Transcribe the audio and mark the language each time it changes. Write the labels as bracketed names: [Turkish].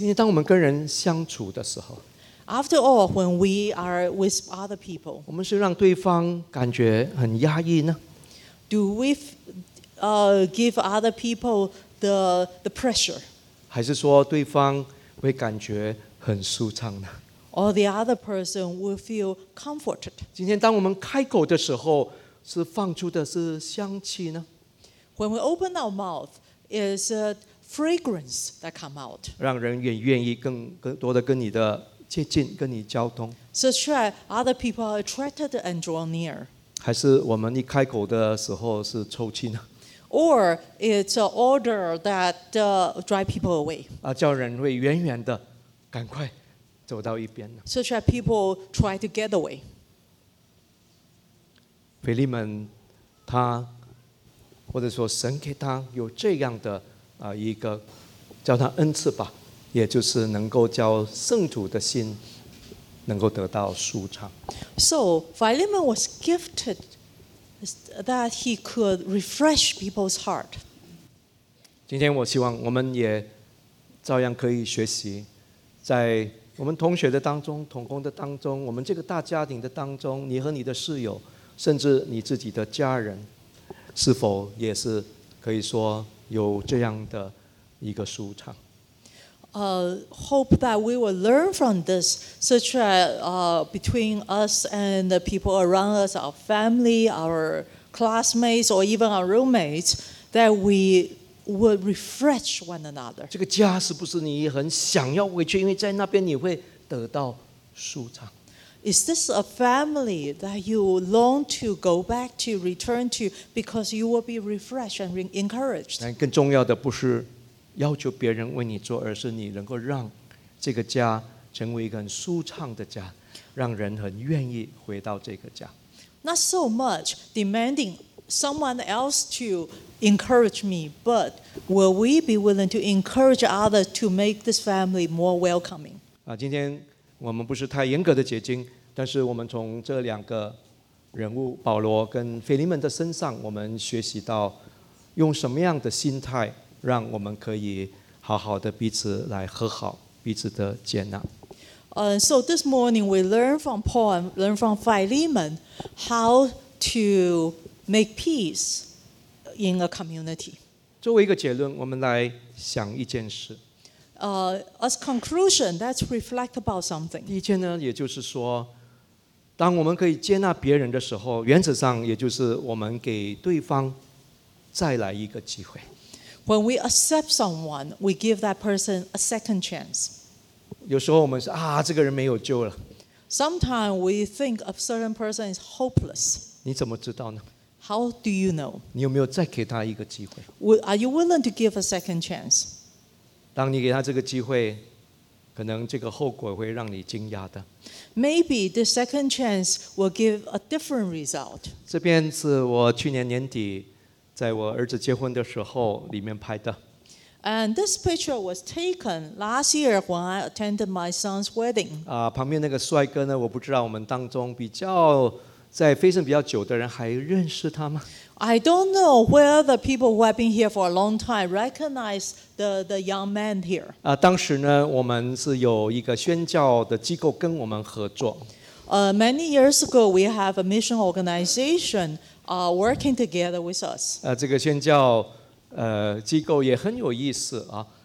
[Chinese] 因为当我们跟人相处的时候 [English] ，After all, when we are with other people, [Chinese] 我们是让对方感觉很压抑呢 [English] ？Do we give other people the pressure? [Chinese] 还是说对方会感觉很舒畅的。 [English] Or the other person will feel comforted. [Chinese] 今天当我们开口的时候，是放出的是香气呢 [English] ？When we open our mouth, is a fragrance that come out. [Chinese] 让人也愿意更多的跟你的接近，跟你交通。 [English] So that other people are attracted and drawn near. [Chinese] 还是我们一开口的时候是臭气呢？ [English] Or it's an order that drive people away. [Chinese] 叫人会远远的，赶快走到一边呢。 [English] So that people try to get away. [Chinese] 腓力门他，或者说神给他有这样的一个叫他恩赐吧，也就是能够叫圣徒的心能够得到舒畅。 [English] So Philemon was gifted that he could refresh people's heart. [Chinese] 今天我希望我们也照样可以学习，在我们同学的当中，同工的当中，我们这个大家庭的当中，你和你的室友，甚至你自己的家人，是否也是可以说有这样的一个舒畅。 [English] Hope that we will learn from this, such as between us and the people around us, our family, our classmates, or even our roommates, that we would refresh one another. [Chinese] 这个家是不是你很想要回去？因为在那边你会得到舒畅。 [English] Is this a family that you long to go back to, return to, because you will be refreshed and encouraged? [Chinese] 更重要的不是要求别人为你做，而是你能够让这个家成为一个很舒畅的家，让人很愿意回到这个家。 [English] Not so much demanding someone else to encourage me, but will we be willing to encourage others to make this family more welcoming? [Chinese] 今天我们不是太严格的结晶，但是我们从这两个人物保罗跟腓利门的身上，我们学习到用什么样的心态让我们可以好好的彼此来和好，彼此的接纳。 [English] So this morning we learn from Paul and learn from Philemon how to make peace in a community. [Chinese] 作为一个结论，我们来想一件事。 [English] As conclusion, let's reflect about something. [Chinese] 第一件呢，也就是说，当我们可以接纳别人的时候，原则上也就是我们给对方再来一个机会。 [English] When we accept someone, we give that person a second chance. [Chinese] 有时候我们说啊，这个人没有救了。 [English] Sometimes we think a certain person is hopeless. [Chinese] 你怎么知道呢？ [English] How do you know? [Chinese] 你有没有再给他一个机会？ [English] Are you willing to give a second chance? [Chinese] 当你给他这个机会，可能这个后果会让你惊讶的。 [English] Maybe the second chance will give a different result. [Chinese] 这边是我去年年底在我儿子结婚的时候里面拍的。 [English] And this picture was taken last year when I attended my son's wedding. [Chinese] 旁边那个帅哥呢，我不知道我们当中比较在飞升比较久的人还认识他吗？ [English] I don't know whether the people who have been here for a long time recognize the young man here. [Chinese] 当时呢，我们是有一个宣教的机构跟我们合作。 [English] Many years ago, we have a mission organization. Working together with us. [Chinese] 这个宣教机构也很有意思啊。